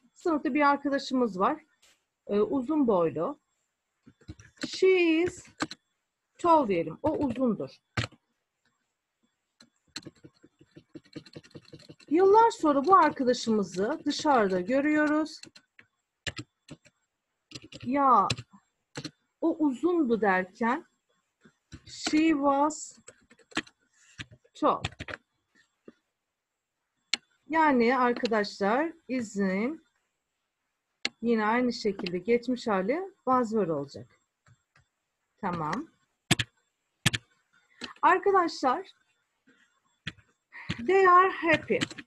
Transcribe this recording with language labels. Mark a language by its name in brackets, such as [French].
[Turkish] Sınıfta bir arkadaşımız var. Uzun boylu. [English] She is tall [Turkish] diyelim. O uzundur. Yıllar sonra bu arkadaşımızı dışarıda görüyoruz. Ya o uzundu derken [English] she was tall. [Turkish] Yani arkadaşlar izin yine aynı şekilde geçmiş hali was were olacak. Tamam. Arkadaşlar [English] they are happy.